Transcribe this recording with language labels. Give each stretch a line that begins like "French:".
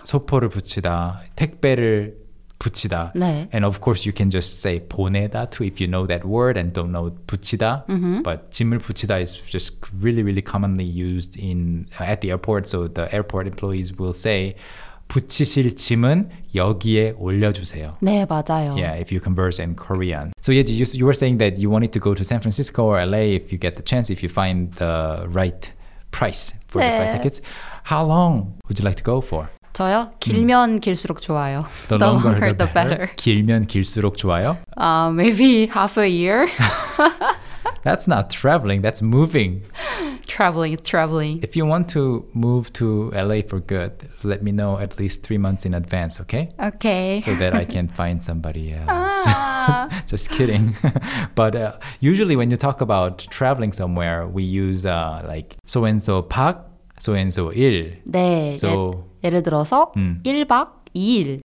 Korean: 소포를 붙이다, 택배를 붙이다. 네.
English: And of course you can just say 보내다 too if you know that word and don't know 붙이다. Mm-hmm. But 짐을 붙이다 is just really, really commonly used in at the airport. So the airport employees will say
Korean: 붙이실 짐은 여기에 올려주세요. 네, 맞아요.
English: Yeah, if you converse in Korean. So Yeji, you were saying that you wanted to go to San Francisco or LA if you get the chance, if you find the right price for
Korean: 네.
English: the flight tickets. How long would you like to go for?
Korean: 저요? 길면 길수록 좋아요.
English: The longer, the better.
Korean: 길면 길수록 좋아요?
English: Maybe half a year. That's not traveling, that's moving. Traveling. If you want to move to LA for good, let me know at least 3 months in advance, okay? Okay. So that I can find somebody else. Just kidding. But usually when you talk about traveling somewhere, we use like so-and-so 박, so-and-so 일.
Korean: 네, so, 예를 들어서 1박 2일.